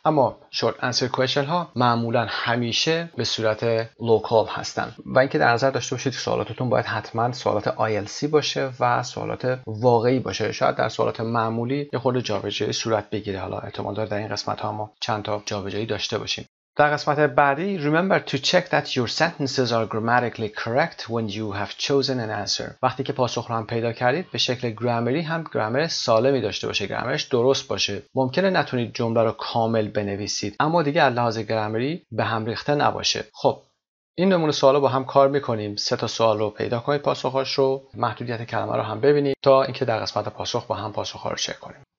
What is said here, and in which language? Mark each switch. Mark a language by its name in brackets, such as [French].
[Persian] اما short answer question ها معمولا همیشه به صورت local هستن. و اینکه در نظر داشته باشید سوالاتتون باید حتما سوالات آیلسی باشه و سوالات واقعی باشه. شاید در سوالات معمولی یه خورده جابجایی صورت بگیره، حالا احتمال داره در این قسمت ها ما چند تا جابجایی داشته باشیم. تا در قسمت بعدی [English] remember to check that your sentences are grammatically correct when you have chosen an answer. [Persian] وقتی که پاسخ رو هم پیدا کردید به شکل گرامری هم گرامر سالمی داشته باشه، گرامرش درست باشه. ممکنه نتونید جمله رو کامل بنویسید اما دیگه از لحاظ گرامری به هم ریخته نباشه. خب این نمونه سوال رو با هم کار میکنیم. سه تا سوال رو پیدا کنید پاسخاش رو، محدودیت کلمه رو هم ببینید تا اینکه در قسمت پاسخ با هم پاسخ رو چک کنیم.